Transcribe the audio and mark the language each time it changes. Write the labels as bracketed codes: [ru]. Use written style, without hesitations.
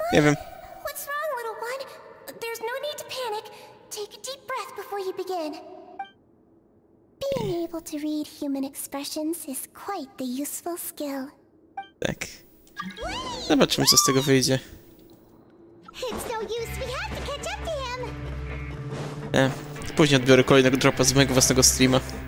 [pl] Nie wiem. [en] What's wrong, little one? There's no need to panic. Take a deep breath before you begin. Being able to read human expressions is quite the useful skill. [pl] Tak. Zobaczymy, co z tego wyjdzie. [en] It's no use. We have to catch up to him. [pl] Później odbiorę kolejnego dropa z mojego własnego streama.